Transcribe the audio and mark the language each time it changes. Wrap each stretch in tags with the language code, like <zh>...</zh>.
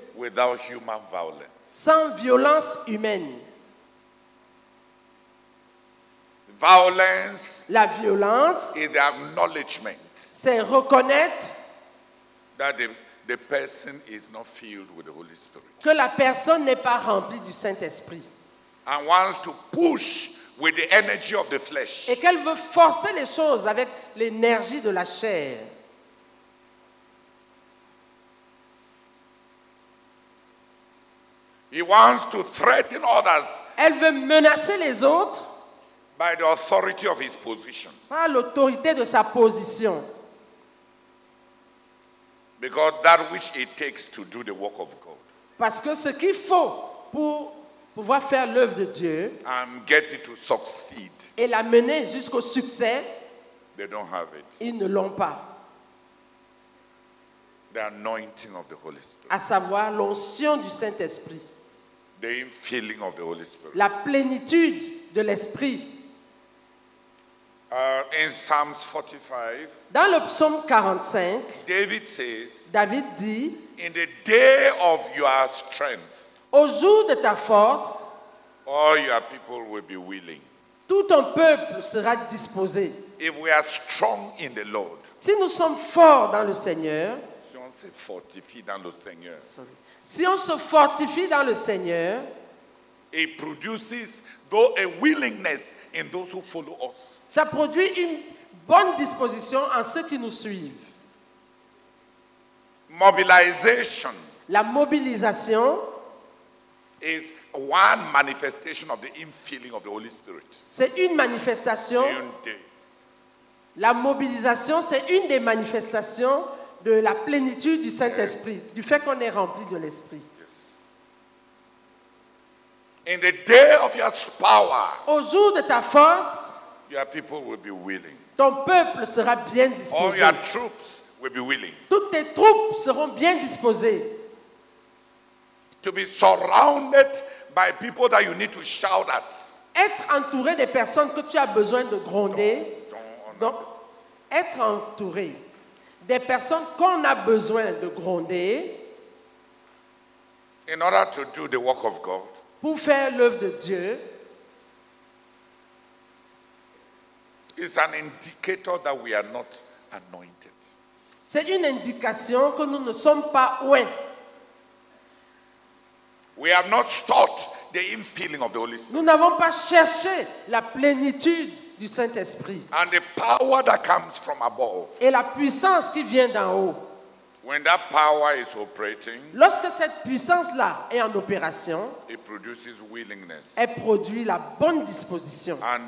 <en>Without human violence.</en> <fr>Sans violence humaine.</fr> <en>Violence,</en> <fr>la violence</fr> <en>is the acknowledgement,</en> <fr>c'est reconnaître</fr> <en>that the person is not filled with the Holy Spirit.</en> <fr>Que la personne n'est pas remplie du Saint-Esprit.</fr> <en>And wants to push with the energy of the flesh.</en> <fr>Et qu'elle veut forcer les choses avec l'énergie de la chair.</fr> <en>He wants to threaten others.</en> <fr>Elle veut menacer les autres.</fr> <en>By the authority of his position.</en> <fr>Par l'autorité de sa position.</fr> <en>Because that which it takes to do the work of God.</en> <fr>Parce que ce qu'il faut pour pouvoir faire l'œuvre de Dieu.</fr> <en>And get it to succeed.</en> <fr>Et la mener jusqu'au succès.</fr> <en>They don't have it.</en> <fr>Ils ne l'ont pas.</fr> <en>The anointing of the Holy Spirit.</en> <fr>À savoir l'onction du Saint-Esprit.</fr> <en>The infilling of the Holy Spirit.</en> <fr>La plénitude de l'Esprit.</fr> <en>In Psalms 45,</en> <fr>dans le psaume 45,</fr> <en>David says,</en> <fr>David dit,</fr> <en>in the day of your strength,</en> <fr>au jour de ta force,</fr> <en>all your people will be willing.</en> <fr>Tout ton peuple sera disposé.</fr> <en>If we are strong in the Lord,</en> <fr>si nous sommes forts dans le Seigneur, si on se fortifie dans le Seigneur, sorry. Si on se fortifie dans le Seigneur,</fr> <en>it produces though a willingness in those who follow us.</en> <fr>Ça produit une bonne disposition en ceux qui nous suivent.</fr> <en>Mobilization.</en> <fr>La mobilisation</fr> <en>is one manifestation of the infilling of the Holy Spirit.</en> <fr>C'est une manifestation. La mobilisation, c'est une des manifestations de la plénitude du Saint-Esprit, du fait qu'on est rempli de l'Esprit.</fr> <en>In the day of your power,</en> <fr>au jour de ta force,</fr> <en>your people will be willing.</en> <fr>Ton peuple sera bien disposé.</fr> <en>All your troops will be willing.</en> <fr>Toutes tes troupes seront bien disposées.</fr> <en>To be surrounded by people that you need to shout at.</en> <fr>Être entouré des personnes que tu as besoin de gronder. Donc, être entouré. Des personnes qu'on a besoin de gronder</fr> <en>in order to do the work of God,</en> <fr>pour faire l'œuvre de Dieu</fr> <en>is an indicator that we are not anointed.</en> <fr>C'est une indication que nous ne sommes pas oints.</fr> <en>We have not sought the infilling of the Holy Spirit.</en> <fr>Nous n'avons pas cherché la plénitude du Saint-Esprit.</fr> <en>And the power that comes from above.</en> <fr>Et la puissance qui vient d'en haut.</fr> <en>When that power is operating,</en> <fr>lorsque cette puissance-là est en opération,</fr> <en>it produces willingness.</en> <fr>Elle produit la bonne disposition.</fr>